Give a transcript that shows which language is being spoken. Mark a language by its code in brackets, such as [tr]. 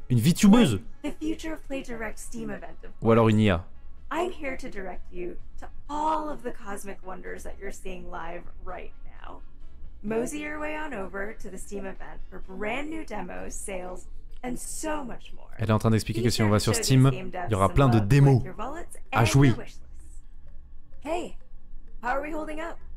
[fr] Une VTubeuse! [en] The future of Play Direct Steam event, of course. [fr] Ou alors une IA. [en] I'm here to direct you to all of the cosmic wonders that you're seeing live right now. Mosey your way on over to the Steam event for brand new demos, sales, and so much more. [fr] Elle est en train d'expliquer que si on va sur Steam, il y aura plein de démos à jouer. [en] Hey, how are we holding up?